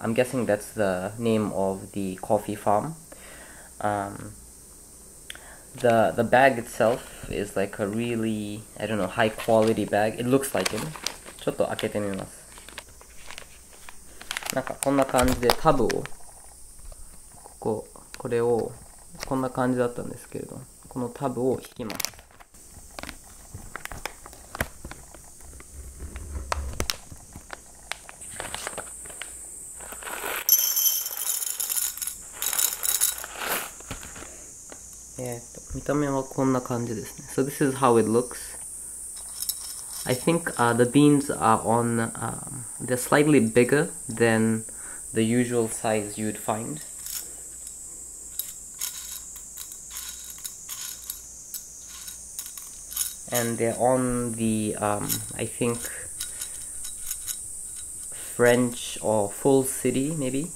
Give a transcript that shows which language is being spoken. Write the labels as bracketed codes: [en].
[en] I'm guessing that's the name of the coffee farm. The bag itself is like a really, I don't know, high quality bag. It looks like it. [ja] ちょっと開けてみます。なんかこんな感じでタブを、これを、こんな感じだったんですけれど、このタブを引きます。見た目はこんな感じですね。 [en] So this is how it looks. I think、the beans are on、they're slightly bigger than the usual size you'd find. And they're on the、I think French or full city maybe?